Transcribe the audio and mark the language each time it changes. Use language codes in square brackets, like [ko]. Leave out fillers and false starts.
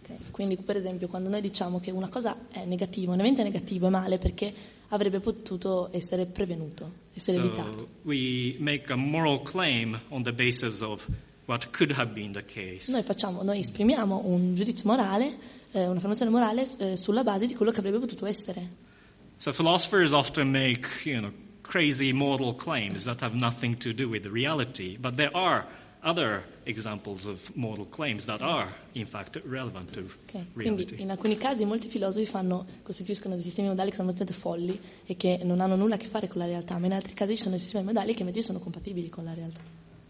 [it] Quindi, per esempio, quando noi diciamo che una cosa è negativa, un evento è negativo, è male perché avrebbe potuto essere prevenuto, essere evitato. [en] We make a moral claim on the basis of what could have been the case. [it] Noi esprimiamo un giudizio morale, un'affermazione morale sulla base di quello che avrebbe potuto essere. [en] So philosophers often make, you know, crazy moral claims that have nothing to do with the reality, but there are other examples of moral claims that are in fact relevant to reality. [it] Quindi in alcuni casi molti filosofi costituiscono dei sistemi modali che sono molto folli e che non hanno nulla a che fare con la realtà, ma in altri casi ci sono sistemi modali che invece sono compatibili con la realtà.